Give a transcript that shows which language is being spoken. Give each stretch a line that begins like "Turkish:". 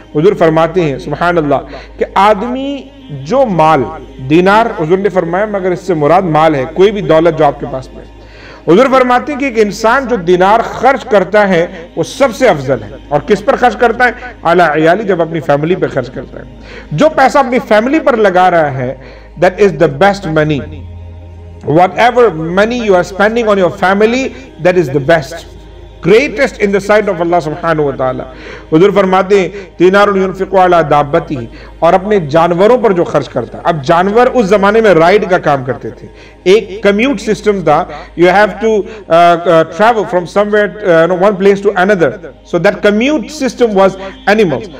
Urdu: حضور فرماتے ہیں سبحان اللہ کہ آدمی جو مال، دینار حضور نے فرمایا مگر اس سے مراد مال ہے، کوئی بھی دولت جو آپ کے پاس میں. حضور فرماتے ہیں کہ ایک انسان جو دینار خرچ کرتا ہے وہ سب سے افضل ہے، اور کس پر خرچ کرتا ہے؟
Arabic: على عیالی،
Urdu: جب اپنی فیملی پر خرچ کرتا ہے. جو پیسہ اپنی فیملی پر لگا رہا ہے
English: that is the best money. Whatever money you are spending on your family, that is the best, greatest in the sight of Allah subhanahu wa ta'ala.
Urdu: حضور فرماتے ہیں
Arabic: دینارن ينفقو علی دابتی،
Urdu: اور اپنے جانوروں پر جو خرچ کرتا. اب جانور اس زمانے میں رائڈ کا کام کرتے تھے، ایک کمیوٹ سسٹم تھا،
English: You have to travel from somewhere one place to اندر، so that commute system was animal.